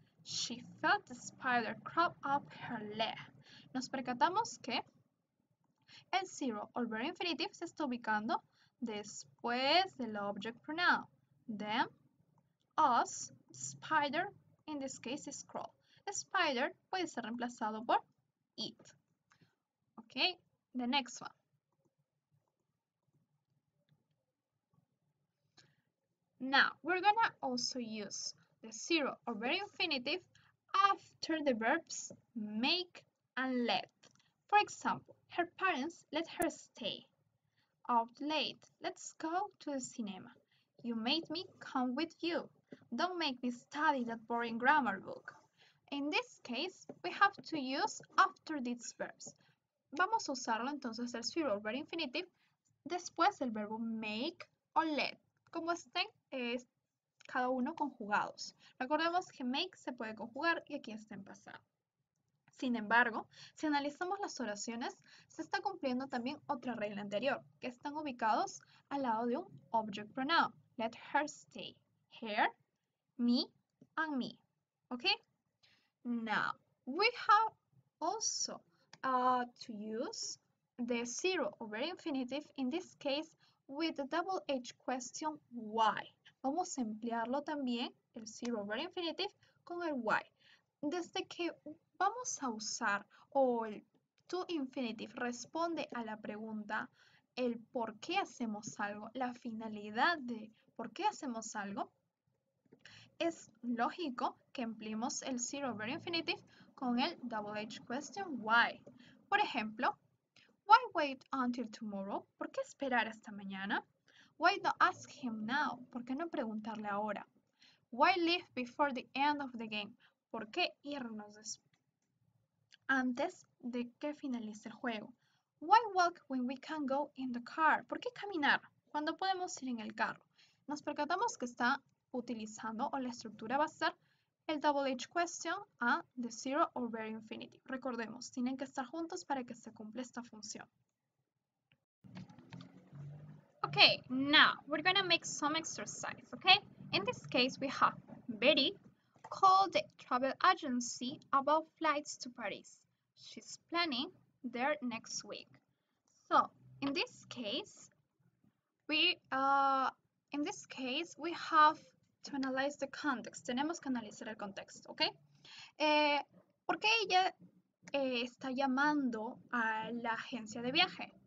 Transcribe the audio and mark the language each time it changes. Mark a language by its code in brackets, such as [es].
[en] She felt the spider crawl up her leg. [es] Nos percatamos que el zero o el verb infinitive se está ubicando después del object pronoun. [en] Them, us, spider, in this case is crawl. [es] A spider puede ser reemplazado por it. [en] Okay, the next one. Now, we're gonna also use the zero or verb infinitive after the verbs make and let. For example, her parents let her stay out late. Let's go to the cinema. You made me come with you. Don't make me study that boring grammar book. In this case, we have to use after these verbs. [es] Vamos a usarlo entonces el zero or verb infinitive después del verbo make o let. Como estén cada uno conjugados. Recordemos que make se puede conjugar y aquí está en pasado. Sin embargo, si analizamos las oraciones, se está cumpliendo también otra regla anterior, que están ubicados al lado de un object pronoun. [en] Let her stay. Here, me, and me. Okay? Now, we have also to use the zero or verb infinitive, in this case, with the double H question, why. [es] Vamos a emplearlo también, el zero verb infinitive, con el why. Desde que vamos a usar o el to infinitive responde a la pregunta, el por qué hacemos algo, la finalidad de por qué hacemos algo, es lógico que empleemos el zero verb infinitive con el double H question, why. Por ejemplo, [en] why wait until tomorrow? [es] ¿Por qué esperar hasta mañana? [en] Why not ask him now? [es] ¿Por qué no preguntarle ahora? [en] Why leave before the end of the game? [es] ¿Por qué irnos antes de que finalice el juego? [en] Why walk when we can go in the car? [es] ¿Por qué caminar cuando podemos ir en el carro? Nos percatamos que está utilizando o la estructura va a ser el double H question a the zero or verb infinitive. Recordemos, tienen que estar juntos para que se cumpla esta función. [en] Okay, now we're gonna make some exercise, okay? In this case, we have Betty called the travel agency about flights to Paris. She's planning there next week. So, in this case, we have to analyze the context. [es] Tenemos que analizar el contexto, ¿ok? ¿Por qué ella está llamando a la agencia de viaje?